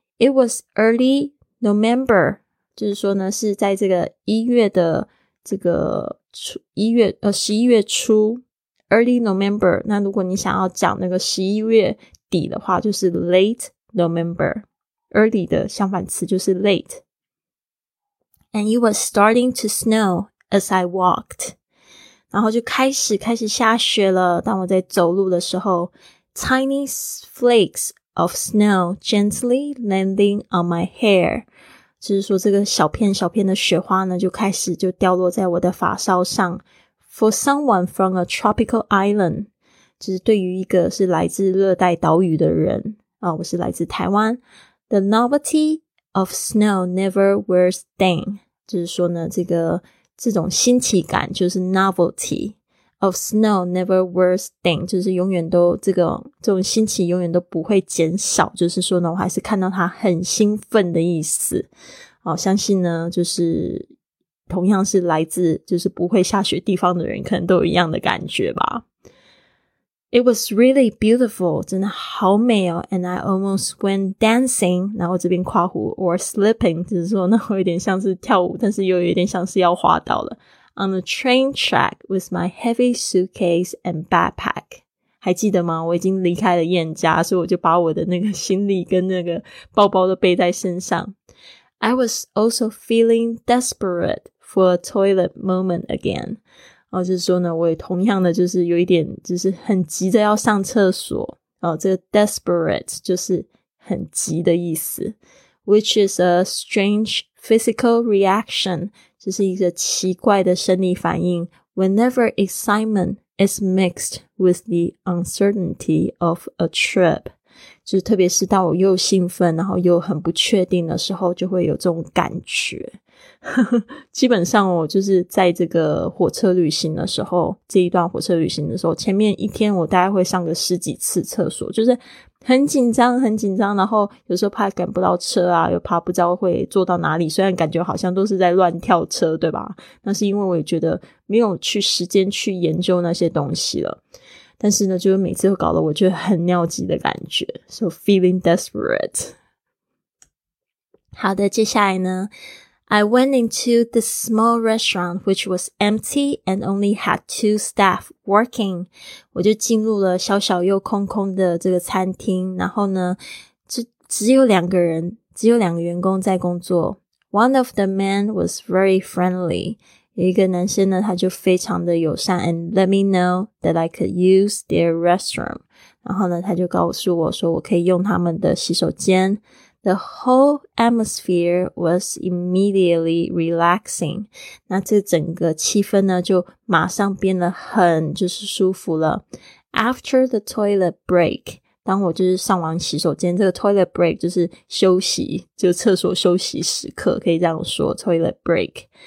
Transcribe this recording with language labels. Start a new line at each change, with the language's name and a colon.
Chinese: It was early November, 就是说呢，是在这个一月的这个11月初 early November, 那如果你想要讲那个11月底的话，就是 late November, early 的相反词就是 late.
English: And it was starting to snow as I walked.
Chinese: 然后就开始下雪了。当我在走路的时候， Tiny flakes of snow gently landing on my hair. 就是说这个小片小片的雪花呢，就开始就掉落在我的发梢上。 For someone from a tropical island, 就是对于一个是来自热带岛屿的人啊，我是来自台湾， The novelty of snow never wears thin. 就是说呢，这个这种新奇感就是 novelty of snow never wears thin, 就是永远都这种新奇永远都不会减少，就是说呢，我还是看到它很兴奋的意思。好，相信呢，就是同样是来自就是不会下雪地方的人，可能都有一样的感觉吧。
English: It was really beautiful, 真的好美哦。 And I almost went dancing, 然后这边括弧 or slipping, 就是说那会有点像是跳舞，但是又有点像是要滑倒了。 On the train track with my heavy suitcase and backpack.
Chinese: 还记得吗？我已经离开了燕家，所以我就把我的那个行李跟那个包包都背在身上。
English: I was also feeling desperate for a toilet moment again.
Chinese: 哦，就是说呢，我也同样的就是有一点就是很急着要上厕所。哦，这个 desperate 就是很急的意思。
English: Which is a strange physical reaction, 就是一个奇怪的生理反应。
Chinese: Whenever excitement is mixed with the uncertainty of a trip, 就是特别是当我又兴奋然后又很不确定的时候，就会有这种感觉。基本上我就是在这个火车旅行的时候，这一段火车旅行的时候，前面一天我大概会上个十几次厕所，就是很紧张很紧张，然后有时候怕赶不到车啊，又怕不知道会坐到哪里，虽然感觉好像都是在乱跳车，对吧？那是因为我也觉得没有去时间去研究那些东西了，但是呢就是每次都搞得我觉得很尿急的感觉， So feeling desperate。
English: 好的，接下来呢， I went into this small restaurant which was empty and only had two staff working.
Chinese: 我就进入了小小又空空的这个餐厅，然后呢，就只有两个人，只有两个员工在工作。
English: One of the men was very friendly. 有一个男生呢，他就非常的友善 and let me know that I could use their restroom.
Chinese: 然后呢，他就告诉我说我可以用他们的洗手间。
English: The whole atmosphere was immediately relaxing.
Chinese: 那这整个气氛呢就马上变得很就是舒服了。 After the toilet break, 当我就是上完洗手间，这个 toilet break 就是休息，就厕所休息时刻，可以这样说 toilet break.